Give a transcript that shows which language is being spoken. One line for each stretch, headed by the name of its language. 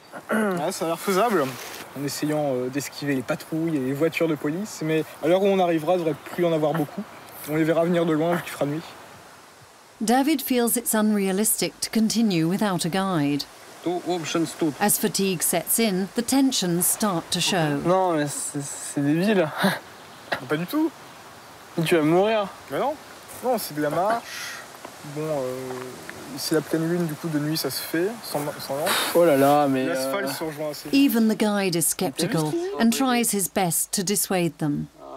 French: Ah, ça a l'air faisable, en essayant d'esquiver les patrouilles et les voitures de police, mais à l'heure où on arrivera, il ne devrait plus y en avoir beaucoup. On les verra venir de loin, vu qu'il fera nuit.
English: David feels it's unrealistic to continue without a guide. Two options, two. As fatigue sets in, the tensions start to show.
French: Non, mais c'est débile. Pas du tout. Tu vas mourir. Mais non. Non, c'est de la marche. Bon, c'est la pleine lune, du coup, de nuit, ça se fait, sans lampe. Oh là là, mais... L'asphalte se rejoint assez.
English: Even the guide is skeptical and tries his best to dissuade them.